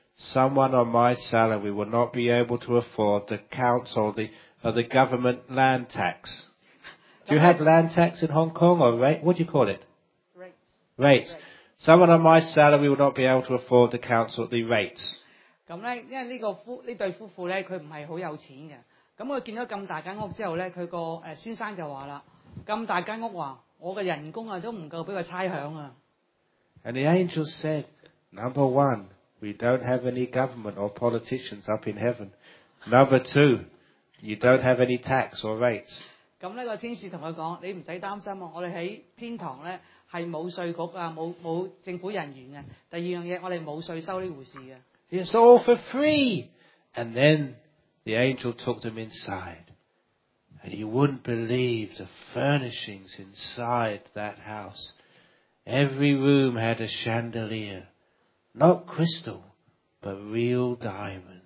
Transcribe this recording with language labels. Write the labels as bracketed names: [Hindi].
[English] Someone on my salary will not be able to afford the council, the government land tax. Do you have land tax in Hong Kong or rate? What do you call it? Rates. Someone on my salary will not be able to afford the council, the rates. [Cantonese] 咁咧，因為呢對夫婦咧，佢唔係好有錢嘅。咁佢見到咁大間屋之後咧，佢個先生就話啦：咁大間屋話，我嘅人工啊都唔夠俾佢差餉啊。 [English] And the angel said, number one. We don't have any government or politicians up in heaven. Number two, you don't have any tax or rates. [Cantonese] 咁咧，個天使同佢講：你唔使擔心啊！我哋喺天堂咧係冇税局啊，冇政府人員嘅。第二樣嘢，我哋冇税收呢回事嘅。 [English] It's all for free. And then the angel took them inside, And you wouldn't believe the furnishings inside that house. Every room had a chandelier. Not crystal, but real diamonds.